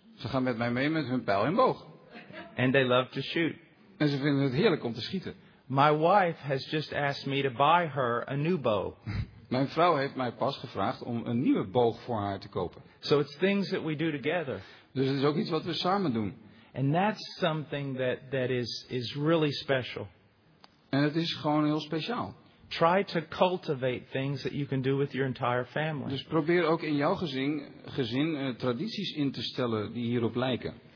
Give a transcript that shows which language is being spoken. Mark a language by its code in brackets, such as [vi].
[nl] Ze gaan met mij mee met hun pijl en boog. [en] And they love to shoot. [nl] En ze vinden het heerlijk om te schieten. [en] My wife has just asked me to buy her a new bow. [nl] Mijn vrouw heeft mij pas gevraagd om een nieuwe boog voor haar te kopen. [en] So it's things that we do together. [nl] Dus het is ook iets wat we samen doen. [en] And that's something that is really special. [nl] En het is gewoon heel speciaal. [en] Try to cultivate things that you can do with your entire family. [nl] Dus probeer ook in jouw gezin tradities in te stellen die hierop lijken.